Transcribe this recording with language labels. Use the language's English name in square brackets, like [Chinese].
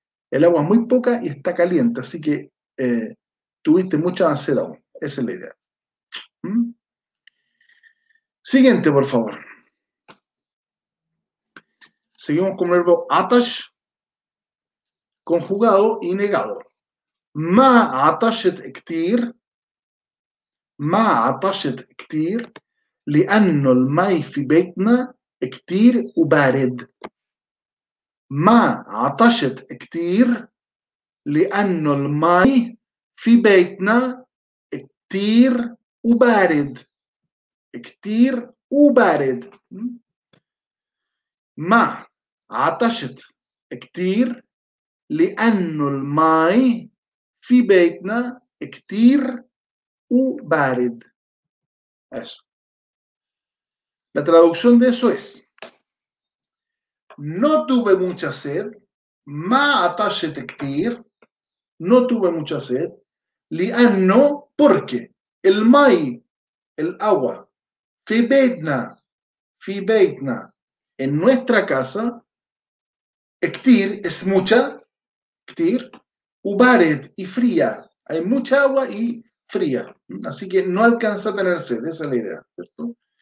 [Spanish] El agua es muy poca y está caliente, así que tuviste mucha sed aún. Esa es la idea. Siguiente, por favor. Seguimos con el verbo عطش, conjugado y negado. [Arabic] ما عطشت كتير. ما عطشت كتير لأنه المي في بيتنا كتير وبارد. ما عطشت كتير لأنه المي في بيتنا كتير وبارد. كتير وبارد. ما عطشت كتير لأنه المي في بيتنا كتير وبارد. [Spanish] Eso. La traducción de eso es: no tuve mucha sed, [Arabic] ma atashet ektir, [Spanish] no tuve mucha sed, li anno, porque el mai, el agua, fi beitna, en nuestra casa, ektir es mucha, ektir, ubared y fría, hay mucha agua y fría, así que no alcanza a tener sed, esa es la idea, ¿cierto?